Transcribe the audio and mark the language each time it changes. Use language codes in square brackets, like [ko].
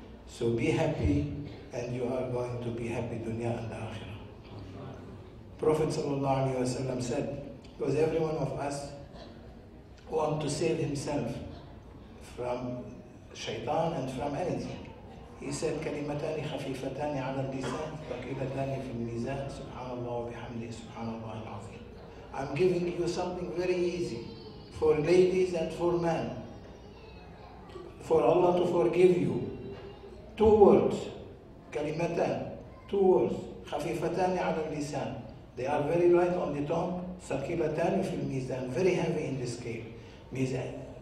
[en] So be happy, and you are going to be happy dunya and akhirah. Prophet ﷺ said, because every one of us want to save himself from shaitan and from anything. He said, [ar] كلمتان خفيفتان على اللسان ثقيلتان في الميزان سبحان الله وبحمده سبحان الله العظيم. [en] I'm giving you something very easy for ladies and for men, for Allah to forgive you. Two words, [ar] كلمتان, [en] two words, [ar] خفيفتان على اللسان, [en] they are very light on the tongue, [ar] ثقيلتان في الميزان, [en] very heavy in the scale. Mizan.